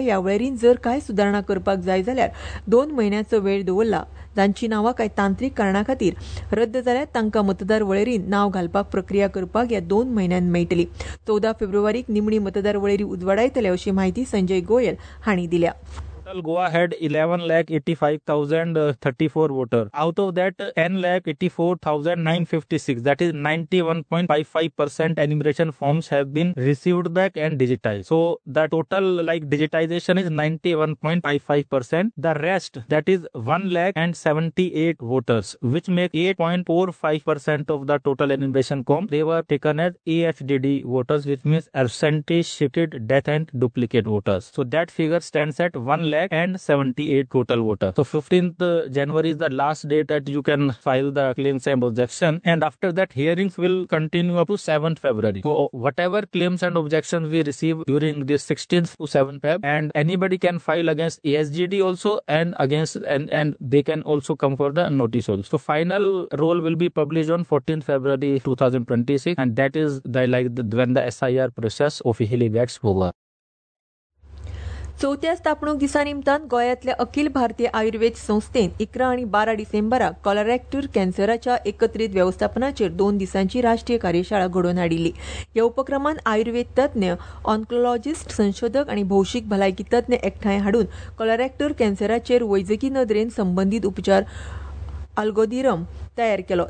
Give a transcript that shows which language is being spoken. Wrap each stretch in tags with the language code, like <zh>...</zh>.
<kok>ह्या वळेरीन जर कांय सुदारणा करपाक जाय जाल्यार 2 महिन्यांचो वेळ दवरला. जांची नावां कांय तांत्रीक कारणा खातीर रद्द जाल्यात तांकां मतदार वळेरींत नाव घालपाक प्रक्रिया करपाक ह्या 2 महिन्यांत मेळटली. 14 फेब्रुवारीक निमणी मतदार वळेरी उजवाडायतले अशी माहिती संजय गोयल हांणी दिल्या.</kok> <en>Goa had 11,85,034 voters. Out of that, 10,84,956, that is 91.55% enumeration forms have been received back and digitized. So, the total like digitization is 91.55%. The rest, that is 1,78,000 voters, which make 8.45% of the total enumeration form, they were taken as AHDD voters, which means absentee, shifted, death and duplicate voters. So, that figure stands at 1,78,000 total voters. So 15th January is the last date that you can file the claims and objection, and after that hearings will continue up to 7th February. So whatever claims and objections we receive during this 16th to 7th Feb, and anybody can file against ASGD also and they can also come for the notice also. So final roll will be published on 14th February 2026, and that is when the SIR process officially gets over.</en> <kok>4th स्थापणूक दिसा निमतान गोयातल्या अखिल भारतीय आयुर्वेद संस्थेन 11 आणि 12 डिसेंबराक कॉलरेक्टर कॅन्सराच्या एकत्रित व्यवस्थापनाचेर 2 दिसांची राष्ट्रीय कार्यशाळा घडोवन हाडिली. ह्या उपक्रमान आयुर्वेद तज्ञ, ऑन्कोलॉजिस्ट, संशोधक आणि भौशीक भलायकी तज्ञ एकठांय हाडून कॉलरेक्टर कॅन्सराचेर वैजकी नदरेन संबंधित उपचार अल्गोदिरम तयार केलो.</kok>